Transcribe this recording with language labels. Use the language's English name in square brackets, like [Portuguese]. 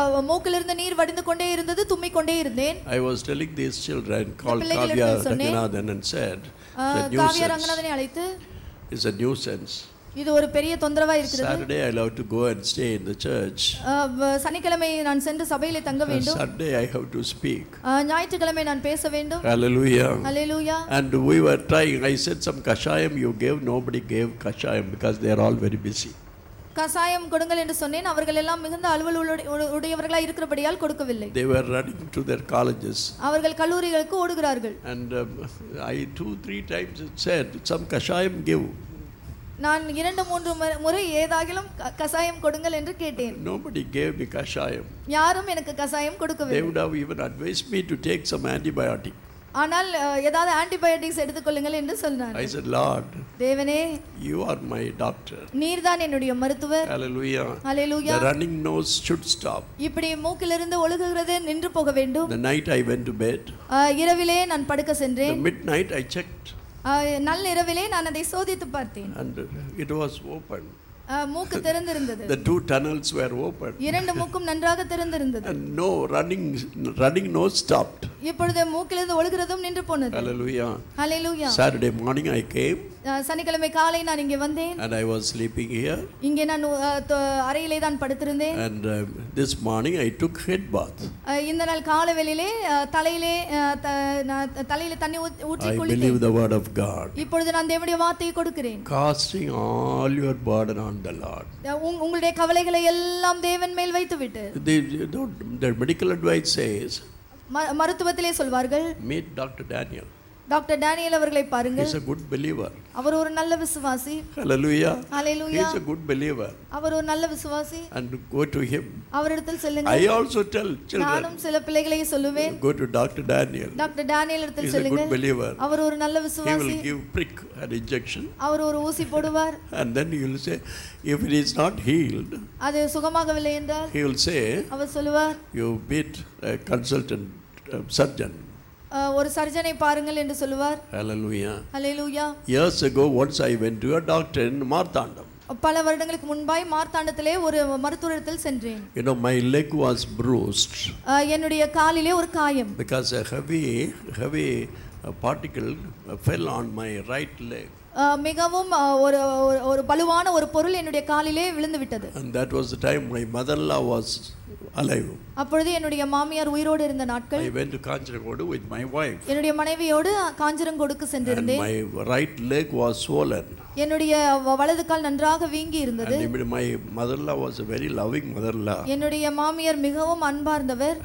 [Tamil] மூக்கிலிருந்து நீர் வடிந்து கொண்டே இருந்தது, தும்மிக் கொண்டே இருந்தேன். [English] I was telling these children, called Kavya Ranganathan and said, [Tamil] Kavya Ranganathanai alaithu, [English] it's a nuisance. [Tamil] இது ஒரு பெரிய தொந்தரவா இருக்குது. [English] Saturday I love to go and stay in the church. [Tamil] சனிக்கிழமை நான் சென்று சபையிலே தங்க வேண்டும். [English] Sunday I have to speak. [Tamil] ஞாயிற்றுக்கிழமை நான் பேச வேண்டும். Hallelujah. Hallelujah. [English] And we were trying. I said some kashayam you gave, nobody gave kashayam because they are all very busy. [Tamil] கஷாயம் கொடுங்கள் என்று சொன்னேன். அவர்கள் எல்லாம் மிகுந்த அலுவல் உடையவர்களாக இருக்கிறபடியால் கொடுக்கவில்லை. [English] They were running to their colleges. [Tamil] அவர்கள் கல்லூரிகளுக்கு ஓடுகிறார்கள். [English] And I 2-3 times said some kashayam give. [Tamil] நான் 2-3 முறை ஏதாகிலும் கஷாயம் கொடுங்கள் என்று கேட்டேன். [English] Nobody gave me kashayam. [Tamil] யாரும் எனக்கு கஷாயம் கொடுக்கவில்லை. [English] They would have even advised me to take some antibiotic. [Tamil] ஆனால் ஏதாவது ஆன்டிபயோட்டிக்ஸ் எடுத்துக்கொள்ளுங்கள் என்று சொன்னார். [English] I said, Lord, [Tamil] தேவனே, [English] you are my doctor. [Tamil] நீர் தான் என்னுடைய மருத்துவர். Hallelujah. Hallelujah. [English] The running nose should stop. [Tamil] இப்படி மூக்கிலிருந்து ஒழுகுகிறது நின்று போக வேண்டும். [English] The night I went to bed. [Tamil] இரவிலே நான் படுக்க சென்றேன். [English] The midnight I checked. [Tamil] நல்ல இரவிலே நான் அதை சோதித்து பார்த்தேன். [English] It was open. [Tamil] மூக்கு திறந்திருந்தது. [English] The two tunnels were open. [Tamil] இரண்டு மூக்கும் நன்றாக திறந்திருந்தது. [English] And no running nose stopped. [Tamil] இப்பொழுது மூக்கிலிருந்து ஒழுகிறதும் நின்று போனது. Hallelujah. Hallelujah. [English] Saturday morning I came. [Tamil] சனிக்கிழமை காலை நான் இங்கே வந்தேன். [English] And I was sleeping here. [Tamil] இங்கே நான் அறையிலே தான் படுத்திருந்தேன். [English] And this morning I took head bath. [Tamil] இந்த நாள் காலை வேளையிலே தலையிலே தலையிலே தண்ணி ஊற்றி குளித்தேன். [English] I believe the word of God. [Tamil] இப்பொழுது நான் தேவனுடைய வார்த்தையை கொடுக்கிறேன். [English] Casting all your burden on the Lord. [Tamil] உங்களுடைய கவலைகளை எல்லாம் தேவன் மேல் வைத்துவிட்டு. [English] The medical advice says. [Tamil] மருத்துவத்திலே சொல்வார்கள். [English] Meet Dr. Daniel. [Tamil] Doctor Daniel அவர்களை பாருங்கள். [English] He is a good believer. [Tamil] அவர் ஒரு நல்ல விசுவாசி. Hallelujah. Hallelujah. [English] He is a good believer. [Tamil] அவர் ஒரு நல்ல விசுவாசி. [English] And go to him. [Tamil] அவரிடத்தில் செல்லுங்கள். [English] I also tell children. [Tamil] நானும் சில பிள்ளைகளை சொல்லுவேன். [English] Go to Dr. Daniel. [Tamil] Doctor Daniel இடத்தில் செல்லுங்கள். [English] He is a good believer. [Tamil] அவர் ஒரு நல்ல விசுவாசி. [English] He will give prick and injection. [Tamil] அவர் ஒரு ஊசி போடுவார். [English] And then he will say if it is not healed. [Tamil] அது சுகமாகவில்லை என்றால். [English] He will say. [Tamil] அவர் சொல்வார். [English] You beat a consultant surgeon. [Tamil] ஒரு சர்ஜனை பாருங்கள் என்று சொல்வார். Hallelujah. Hallelujah. [English] Years ago once I went to a doctor in Marthandam. [Tamil] பல வருடங்களுக்கு முன்பாய் மார்த்தாண்டத்திலே ஒரு மருத்துவரிடத்தில் சென்றேன். [English] You know, my leg was bruised. [Tamil] என்னுடைய காலிலே ஒரு காயம். [English] Because a heavy particle fell on my right leg. [Tamil] மிகவும் ஒரு ஒரு பலுவான ஒரு பொருள் என்னுடைய காலிலே விழுந்து விட்டது. [English] And that was the time my mother-in-law was alive. [Tamil] அப்பொழுது என்னுடைய மாமியார் உயிரோடு இருந்த நாட்கள். [English] I went to Kanjirangod with my wife. [Tamil] என்னுடைய மனைவியோடு காஞ்சிரங்கோடுக்கு சென்றிருந்தேன். [English] And my right leg was swollen. [Tamil] என்னுடைய வலது கால் நன்றாக வீங்கி இருந்தது. [English] And my mother-in-law was a very loving mother-in-law. [Tamil] என்னுடைய மாமியார் மிகவும் அன்பார்ந்தவர்.